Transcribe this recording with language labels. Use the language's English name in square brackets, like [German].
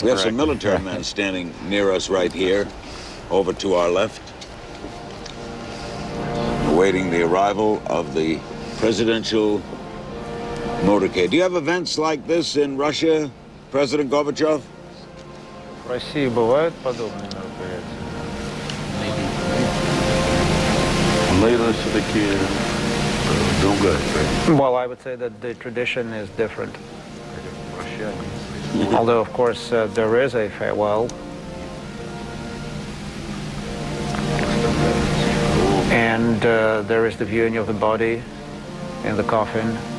[English] correct. We have some military men standing near us right here, over to our left, awaiting the arrival of the presidential motorcade. Do you have events like this in Russia, President Gorbachev? [Russian] России бывают подобные мероприятия? Наверное, все-таки другая. [English] Well, I would say that the tradition is different. Although, of course, there is a farewell. And there is the viewing of the body in the coffin.